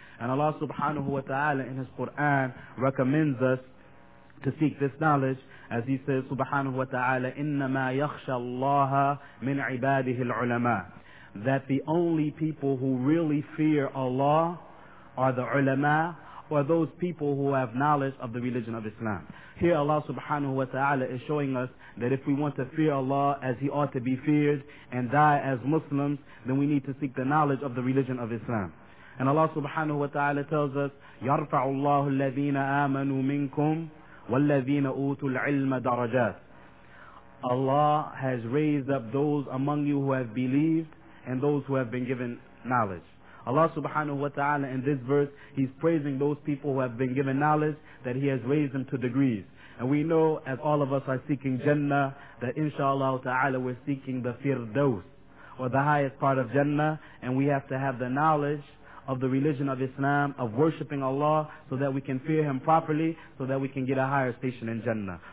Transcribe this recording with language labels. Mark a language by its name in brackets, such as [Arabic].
[English] And Allah subhanahu wa ta'ala in his Quran recommends us to seek this knowledge, as he says, subhanahu wa ta'ala, [Arabic] إِنَّمَا يَخْشَى اللَّهَ مِنْ عِبَادِهِ الْعُلَمَاءِ, [English] that the only people who really fear Allah are the ulama, or those people who have knowledge of the religion of Islam. Here Allah subhanahu wa ta'ala is showing us that if we want to fear Allah as he ought to be feared and die as Muslims, then we need to seek the knowledge of the religion of Islam. And Allah subhanahu wa ta'ala tells us, [Arabic] يَرْفَعُ اللَّهُ الَّذِينَ آمَنُوا مِنْكُمْ وَالَّذِينَ أُوتُوا الْعِلْمَ دَرَجَاتٍ. [English] Allah has raised up those among you who have believed and those who have been given knowledge. Allah subhanahu wa ta'ala in this verse, he's praising those people who have been given knowledge, that he has raised them to degrees. And we know, as all of us are seeking Jannah, that inshallah ta'ala we're seeking the Firdaus, or the highest part of Jannah, and we have to have the knowledge of the religion of Islam, of worshipping Allah, so that we can fear him properly, so that we can get a higher station in Jannah.